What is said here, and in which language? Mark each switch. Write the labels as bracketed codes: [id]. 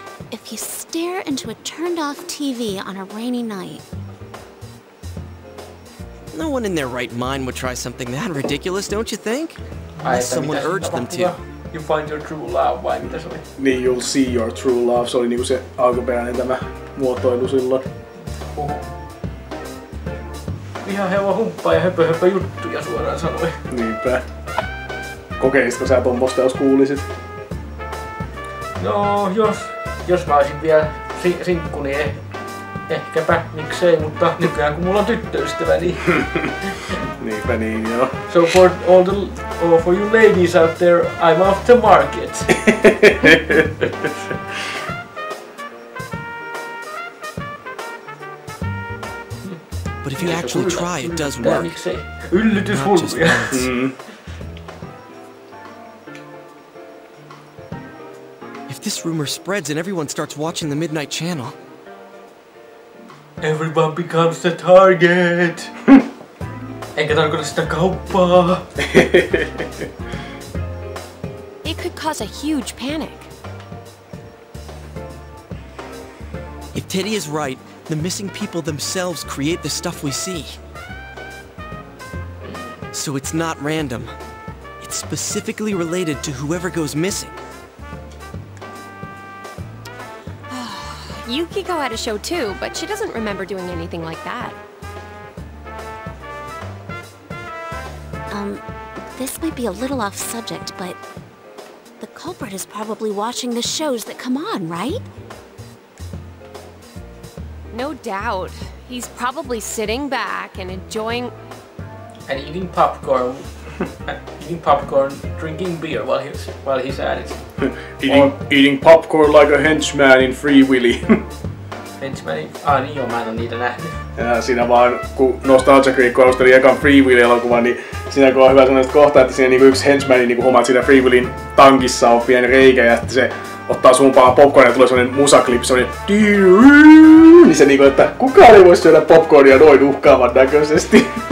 [en] If you stare into a turned-off TV on a rainy night... No one in their right mind would try something that ridiculous, don't you think? Unless someone urged them to. You find your true love, [fi] vai mitä se oli? [en] Niin, you'll see your true love. [fi] Se oli niinku se alkuperäinen tämä muotoilu silloin. Ihan hevo humppaa ja höpö juttuja suoraan sanoi. Niinpä. Kokeisitko sä tommosta, jos kuulisit? No, jos mä olisin vielä sinkku, niin ehkäpä, miksei, mutta nykyään kun mulla on tyttöystävä, niin... Niinpä niin, joo. [en] So for all for you ladies out there, I'm off the market. But if you actually try, it does work. Not just once. If this rumor spreads and everyone starts watching the Midnight Channel... Everyone becomes the target! [fi] Enkä tarkoita sitä kauppaa! [en] It could cause a huge panic. If Teddy is right, the missing people themselves create the stuff we see. So it's not random. It's specifically related to whoever goes missing. Yukiko had a show too, but she doesn't remember doing anything like that. This might be a little off subject, but... The culprit is probably watching the shows that come on, right? No doubt. He's probably sitting back and enjoying... And eating popcorn. drinking beer while he's at it. eating popcorn like a henchman in Free Willy. Henchman in... [fi] Ah, niin joo, mä en oo niitä nähnyt. Ja siinä vaan, kun Nostalgia Creek arvosteli ekan Free Willy-elokuvan, niin siinä on hyvä sanoa kohta, että siinä niinku yksi henchmanin niinku homma, että siinä Free Willyn tankissa on pieni reikä, ja että se ottaa suumpaa popcornia ja tulee semmonen musaklippi, semmonen niin se niinku, että kukaan ei voi syödä popcornia noin uhkaavan näköisesti.